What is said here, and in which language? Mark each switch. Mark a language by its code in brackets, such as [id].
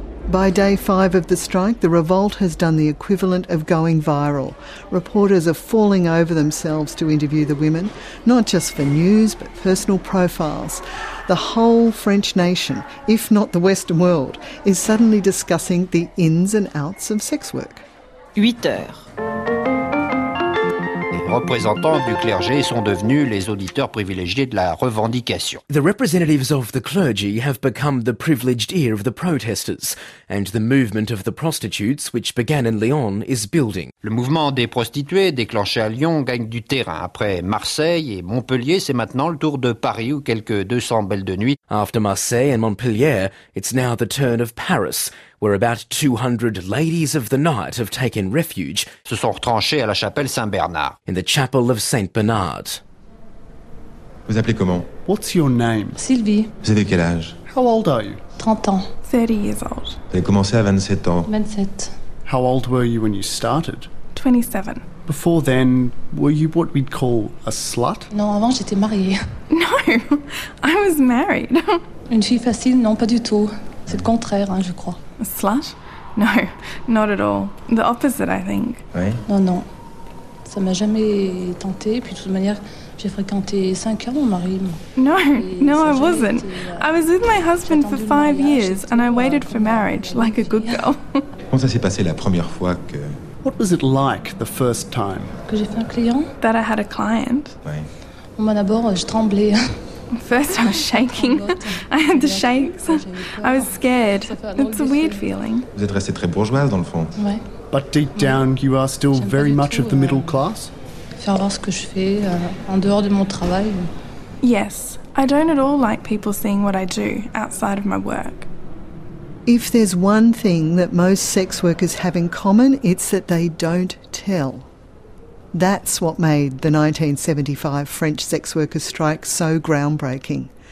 [en] By day five of the strike, the revolt has done the equivalent of going viral. Reporters are falling over themselves to interview the women, not just for news, but personal profiles. The whole French nation, if not the Western world, is suddenly discussing the ins and outs of sex work. [fr] 8 heures. représentants du clergé sont devenus les auditeurs privilégiés de la revendication. [en] The representatives of the clergy have become the privileged ear of the protesters, and the movement of the prostitutes, which began in Lyon, is building. [fr] Le mouvement des prostituées déclenché à Lyon gagne du terrain. Après Marseille et Montpellier, c'est maintenant le tour de Paris où quelques 200 belles de nuit. [en] After Marseille and Montpellier, it's now the turn of Paris, where about 200 ladies of the night have taken refuge. [fr] Se sont retranchés à la chapelle Saint-Bernard. [en] In the chapel of Saint-Bernard. [fr] Vous appelez comment? [en] What's your name? [fr] Sylvie. Vous avez quel âge? [en] How old are you? [fr] 30 ans. [en] 30 years old. [fr] Vous avez commencé à 27 ans. 27. [en] How old were you when you started? 27. Before then, were you what we'd call a slut? [fr] Non, avant j'étais mariée. [en] No, I was married. [fr] Une fille facile? Non, pas du tout. C'est le contraire, hein, je crois. [en] A slut? No, not at all. The opposite, I think. [fr] Oui. Non, non. Ça m'a jamais tenté. Puis de toute manière, j'ai fréquenté 5 ans mon mari. [en] No, no, I wasn't. I was with my husband for 5 years and I waited for marriage like a good girl. [fr] Comment ça s'est passé la première fois que... [en] What was it like the first time? [fr] Que j'ai fait un client? [en] That I had a client. [fr] Oui. Bon, d'abord, je tremblais. [en] First, I was shaking. I had the shakes. I was scared. It's a weird feeling. [fr] Vous êtes restée très bourgeoise dans le fond. Oui. [en] But deep down, you are still very much of the middle class. [fr] Faire voir ce que je fais en dehors de mon travail. [en] Yes, I don't at all like people seeing what I do outside of my work. If there's one thing that most sex workers have in common, it's that they don't tell. That's what made the 1975 French sex workers' strike so groundbreaking.